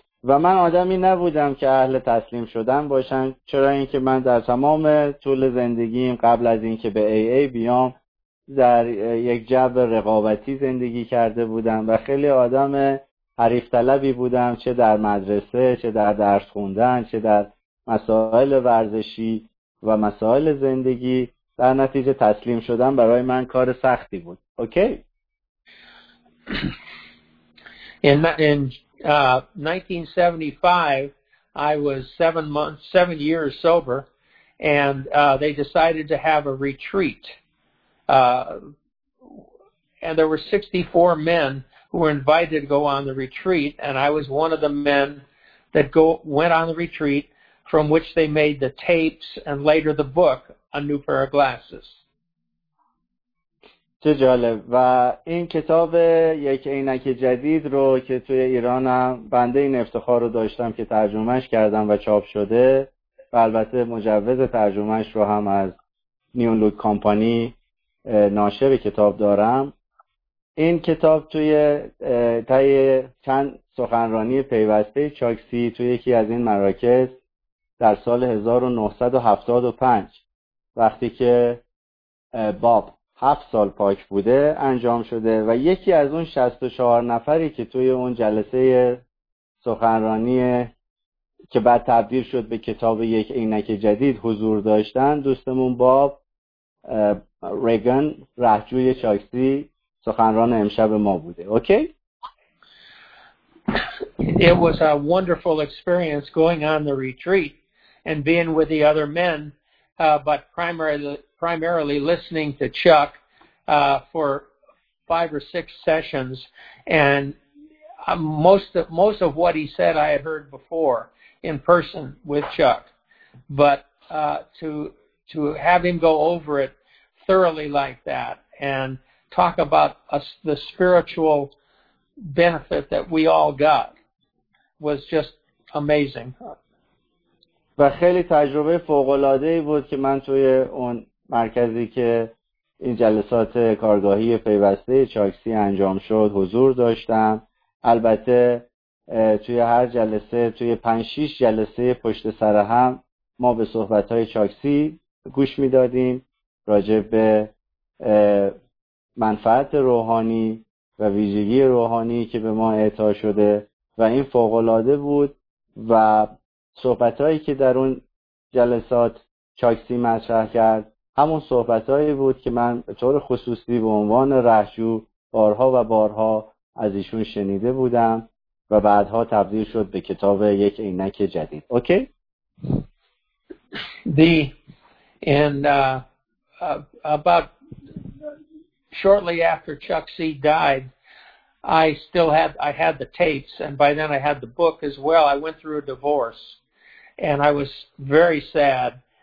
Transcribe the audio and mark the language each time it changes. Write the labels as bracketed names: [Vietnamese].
[Persian] و من آدمی نبودم که اهل تسلیم شدن باشن، چرا اینکه من در تمام طول زندگیم قبل از اینکه به AA بیام در یک جو رقابتی زندگی کرده بودم و خیلی آدم حریف طلبی بودم، چه در مدرسه، چه در درس خوندن، چه در مسائل ورزشی و مسائل زندگی. در نتیجه تسلیم شدن برای من کار سختی بود. اوکی. [English] In 1975 I was 7 years sober and they decided to have a retreat. And there were 64 men who were invited to go on the retreat, and I was one of the men that went on the retreat, from which they made the tapes and later the book, A New Pair of Glasses. [Persian] چه جالب. و این کتاب یک عینک جدید رو که توی ایرانم بنده این افتخار رو داشتم که ترجمهش کردم و چاپ شده، و البته مجوز ترجمهش رو هم از نیون لوک کمپانی ناشر کتاب دارم. این کتاب توی تای چند سخنرانی پیوسته چاکسی توی یکی از این مراکز در سال 1975 وقتی که باب 7 سال پاک بوده انجام شده، و یکی از اون 64 نفری که توی اون جلسه سخنرانی که بعد تبدیل شد به کتاب یک عینک جدید حضور داشتن، دوستمون باب ریگن راهجوی چاکسی سخنران امشب ما بوده. اوکی. [English] It was a wonderful experience going on the retreat and being with the other men, but primarily listening to Chuck for 5 or 6 sessions. And most of what he said I had heard before in person with Chuck. But to have him go over it thoroughly like that and talk about the spiritual benefit that we all got was just amazing. [Persian] و خیلی تجربه فوق‌العاده‌ای بود که من توی اون مرکزی که این جلسات کارگاهی پیوسته چاکسی انجام شد حضور داشتم. البته توی هر جلسه، توی 5-6 جلسه پشت سر هم ما به صحبت‌های چاکسی گوش می‌دادیم راجع به منفعت روحانی و ویژگی روحانی که به ما اعطا شده، و این فوق‌العاده بود. و صحبتایی که در اون جلسات چاکسی مطرح کرد همون صحبتایی بود که من به طور خصوصی به عنوان رهجو بارها و بارها از ایشون شنیده بودم و بعدها تبدیل شد به کتاب یک عینک جدید. اوکی. [English] About shortly after چاکسی died, I had the tapes, and by then I had the book as well. I went through a divorce. And I was very sad.